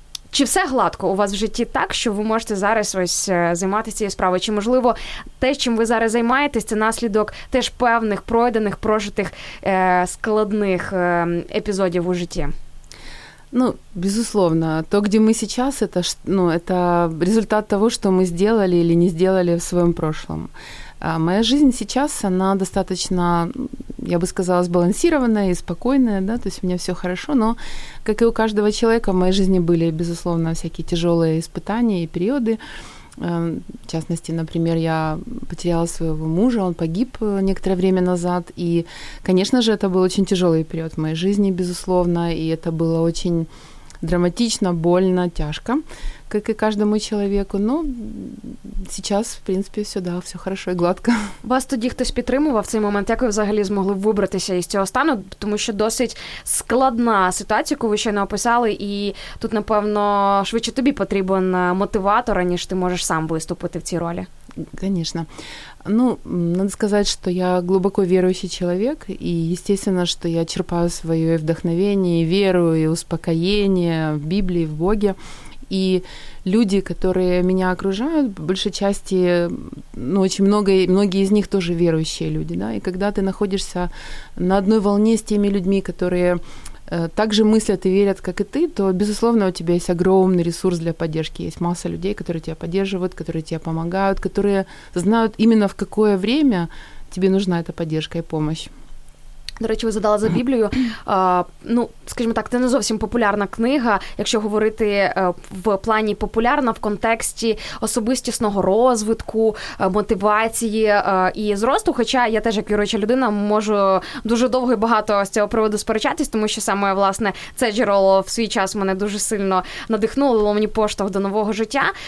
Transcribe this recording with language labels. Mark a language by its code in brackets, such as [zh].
[uk] Чи все гладко у вас в житті так, що ви можете зараз ось займатися цією справою? Чи, можливо, те, чим ви зараз займаєтесь, це наслідок теж певних, пройдених, прожитих складних епізодів у житті? [ru] Ну, безусловно. То, где мы сейчас, это, ну, это результат того, что мы сделали или не сделали в своем прошлом. Моя жизнь сейчас, она достаточно, я бы сказала, сбалансированная и спокойная, да, то есть у меня все хорошо, но, как и у каждого человека, в моей жизни были, безусловно, всякие тяжелые испытания и периоды. В частности, например, я потеряла своего мужа, он погиб некоторое время назад, и, конечно же, это был очень тяжелый период в моей жизни, безусловно, и это было очень драматично, больно, тяжко, как и каждому человеку, но сейчас, в принципе, все, да, все хорошо и гладко. [uk] Вас тоді хтось підтримував в цей момент? Як ви взагалі змогли вибратися із цього стану? Тому що досить складна ситуація, яку ви щойно описали, і тут, напевно, швидше тобі потрібен мотиватор, ніж ти можеш сам виступити в цій ролі. [ru] Конечно. Ну, надо сказать, что я глубоко верующий человек, и естественно, что я черпаю свое вдохновение, веру и успокоение в Библии, в Боге. И люди, которые меня окружают, по большей части, ну, очень много, многие из них тоже верующие люди, да, и когда ты находишься на одной волне с теми людьми, которые также мыслят и верят, как и ты, то, безусловно, у тебя есть огромный ресурс для поддержки. Есть масса людей, которые тебя поддерживают, которые тебе помогают, которые знают именно в какое время тебе нужна эта поддержка и помощь. [uk] До речі, ви задали за Біблію. Ну, скажімо так, це не зовсім популярна книга, якщо говорити в плані популярна в контексті особистісного розвитку, мотивації і зросту. Хоча я теж, як віруюча людина, можу дуже довго і багато з цього приводу сперечатись, тому що саме, власне, це джерело в свій час мене дуже сильно надихнуло, дало мені поштовх до нового життя.